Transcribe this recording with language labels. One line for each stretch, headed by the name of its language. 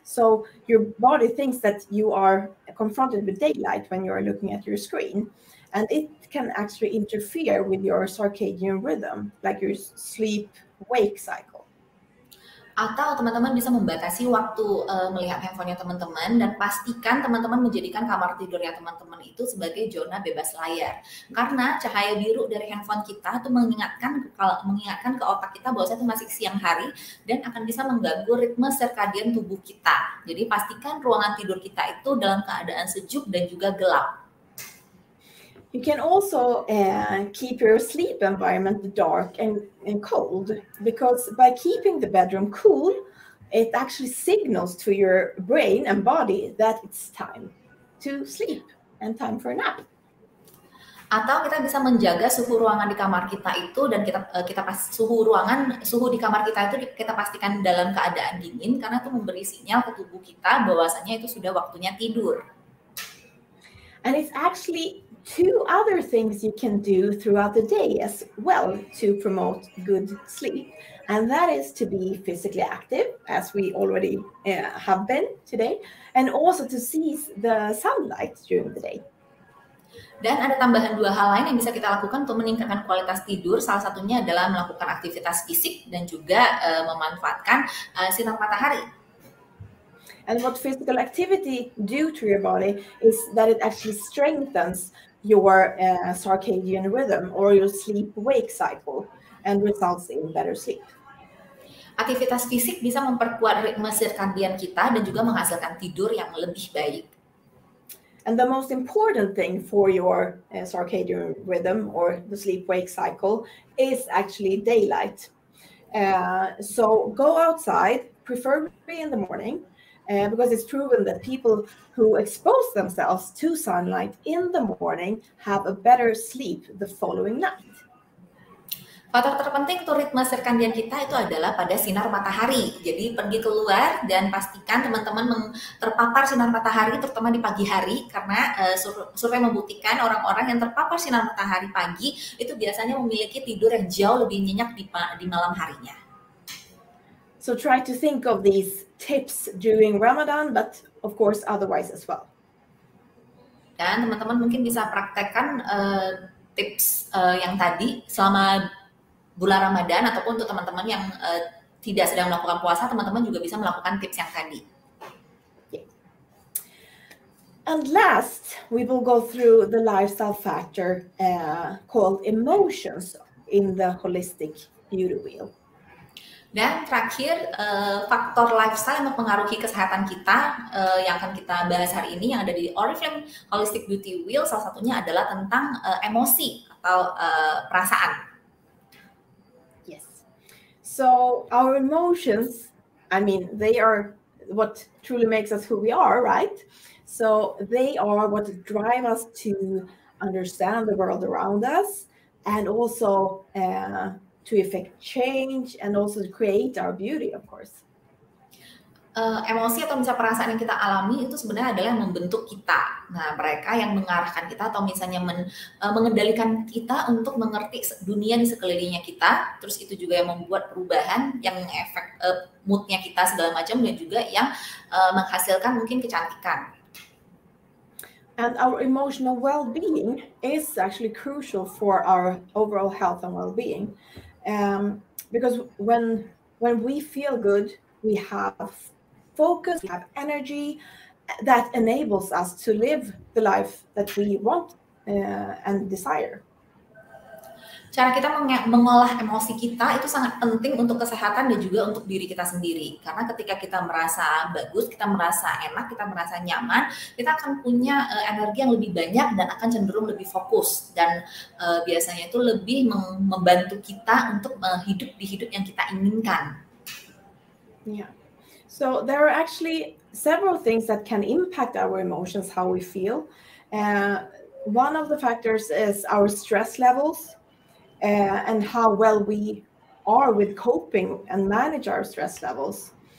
English: So your body thinks that you are confronted with daylight when you are looking at your screen. And it can actually interfere with your circadian rhythm, like your sleep-wake cycle.
Indonesian: Atau teman-teman bisa membatasi waktu melihat handphonenya teman-teman, dan pastikan teman-teman menjadikan kamar tidurnya teman-teman itu sebagai zona bebas layar. Karena cahaya biru dari handphone kita itu mengingatkan ke otak kita bahwa itu masih siang hari dan akan bisa mengganggu ritme circadian tubuh kita. Jadi pastikan ruangan tidur kita itu dalam keadaan sejuk dan juga gelap.
English: You can also keep your sleep environment dark and cold, because by keeping the bedroom cool, it actually signals to your brain and body that it's time to sleep and time for a nap.
Indonesian: Atau kita bisa menjaga suhu ruangan di kamar kita itu, dan kita pastikan dalam keadaan dingin, karena itu memberi sinyal ke tubuh kita bahwasanya itu sudah waktunya tidur.
English: And it's actually two other things you can do throughout the day as well to promote good sleep, and that is to be physically active, as we already have been today, and also to seize the sunlight during the day.
Indonesian: Dan ada tambahan dua hal lain yang bisa kita lakukan untuk meningkatkan kualitas tidur. Salah satunya adalah melakukan aktivitas fisik dan juga memanfaatkan sinar matahari.
English: And what physical activity do to your body is that it actually strengthens your circadian rhythm or your sleep-wake cycle and results in better sleep.
Indonesian: Aktivitas fisik bisa memperkuat ritme sirkadian kita dan juga menghasilkan tidur yang lebih baik.
English: And the most important thing for your circadian rhythm or the sleep-wake cycle is actually daylight. So go outside, preferably in the morning, because it's proven that people who expose themselves to sunlight in the morning have a better sleep the following night.
Indonesian: Faktor terpenting untuk ritme sirkadian kita itu adalah pada sinar matahari. Jadi pergi keluar dan pastikan teman-teman terpapar sinar matahari, terutama di pagi hari, karena survei membuktikan orang-orang yang terpapar sinar matahari pagi itu biasanya memiliki tidur yang jauh lebih nyenyak di malam harinya.
English: So try to think of these tips during Ramadan, but of course otherwise as well.
Indonesian: Dan teman-teman mungkin bisa praktekkan tips yang tadi selama bulan Ramadan, ataupun untuk teman-teman yang tidak sedang melakukan puasa, teman-teman juga bisa melakukan tips yang tadi. Yeah.
English: And last, we will go through the lifestyle factor called emotions in the holistic beauty wheel.
Indonesian: Dan terakhir, faktor lifestyle yang mempengaruhi kesehatan kita yang akan kita bahas hari ini, yang ada di Oriflame Holistic Beauty Wheel, salah satunya adalah tentang emosi atau perasaan. Yes.
English: So, our emotions, I mean, they are what truly makes us who we are, right? So, they are what drive us to understand the world around us, and also to effect change and also to create our beauty, of course.
Indonesian: Emosi atau misalnya perasaan yang kita alami itu sebenarnya adalah yang membentuk kita. Nah, mereka yang mengarahkan kita atau misalnya mengendalikan kita untuk mengerti dunia di sekelilingnya kita, terus itu juga yang membuat perubahan yang efek moodnya kita segala macam, dan juga yang menghasilkan mungkin kecantikan.
English: And our emotional well-being is actually crucial for our overall health and well-being. Because when we feel good, we have focus, we have energy that enables us to live the life that we want and desire.
Indonesian: cara kita mengolah emosi kita itu sangat penting untuk kesehatan dan juga untuk diri kita sendiri. Karena ketika kita merasa bagus, kita merasa enak, kita merasa nyaman, kita akan punya energi yang lebih banyak dan akan cenderung lebih fokus. Dan biasanya itu lebih membantu kita untuk hidup di hidup yang kita inginkan. Yeah.
English: So there are actually several things that can impact our emotions, how we feel. One of the factors is our stress levels. And how well we are with coping and manage our stress levels.